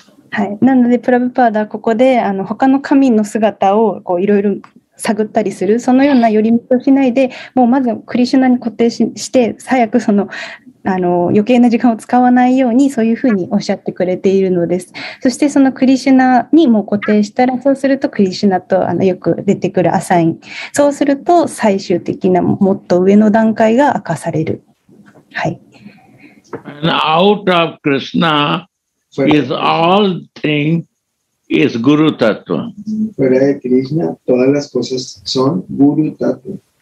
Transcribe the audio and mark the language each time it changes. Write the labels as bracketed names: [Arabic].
[Japanese] はい、なのでプラブパーダはここで他の神の姿をこういろいろ探ったりする、そのような寄り道をしないで、もうまずクリシュナに固定 して早くその余計な時間を使わないように、そういうふうにおっしゃってくれているのです。そしてそのクリシュナにも固定したら、そうするとクリシュナとよく出てくるアサイン、そうすると最終的なもっと上の段階が明かされる。はい。 [English] And out of Krishna is all thing is Guru Tattva. [Spanish] Fuera de Krishna, todas las cosas son Guru Tattva.